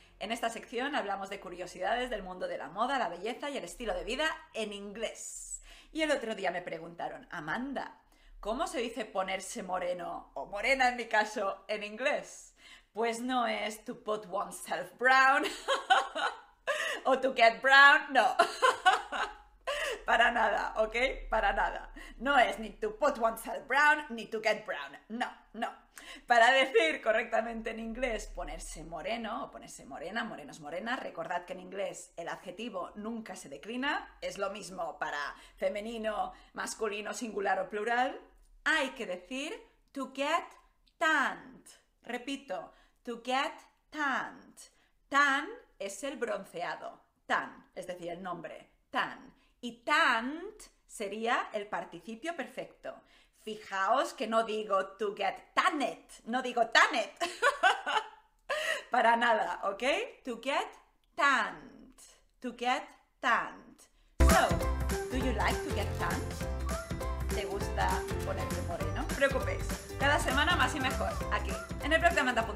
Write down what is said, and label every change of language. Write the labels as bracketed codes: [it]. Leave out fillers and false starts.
[es] En esta sección hablamos de curiosidades del mundo de la moda, la belleza y el estilo de vida en inglés. Y el otro día me preguntaron, Amanda, ¿cómo se dice ponerse moreno, o morena en mi caso, en inglés? Pues no es [en] to put oneself brown, [es] o [en] to get brown, [es] no. Para nada, ¿ok? Para nada. No es ni [en] to put oneself brown, [es] ni [en] to get brown. [es] No, no. Para decir correctamente en inglés ponerse moreno o ponerse morena, morenos, morenas, recordad que en inglés el adjetivo nunca se declina, es lo mismo para femenino, masculino, singular o plural, hay que decir [en] to get tanned. [es] Repito, [en] to get tanned. [es] Tan es el bronceado, tan, es decir, el nombre, tan. Y tanned sería el participio perfecto. Fijaos que no digo [en] to get tanned, [es] no digo tanned. Para nada, ¿ok? [en] To get tanned, to get tanned. So, do you like to get tanned? [es] ¿Te gusta ponerte moreno? No os preocupéis, cada semana más y mejor, aquí, en el programa.